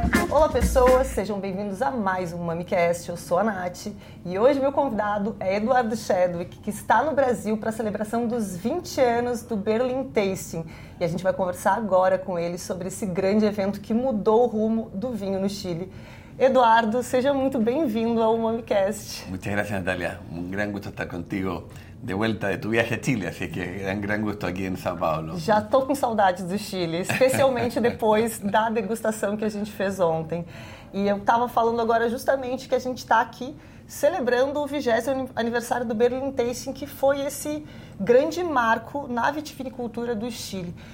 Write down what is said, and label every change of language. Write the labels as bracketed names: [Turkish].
[Portuguese] Olá pessoas, sejam bem-vindos a mais um MamiCast, eu sou a Nath e hoje meu convidado é Eduardo Chadwick, que está no Brasil para a celebração dos 20 anos do Berlin Tasting e a gente vai conversar agora com ele sobre esse grande evento que mudou o rumo do vinho no Chile. Eduardo, seja muito bem-vindo ao MamiCast. [Spanish] Muchas gracias, Natalia. Un gran gusto estar contigo de vuelta de tu viaje a Chile, así que es un gran gusto aquí en São Paulo. [Portuguese] Já estou com saudade do Chile, especialmente depois da degustação que a gente fez ontem. E eu estava falando agora justamente que a gente está aqui celebrando o 20º aniversário do Berlin Tasting, que foi esse grande marco na vitivinicultura do Chile.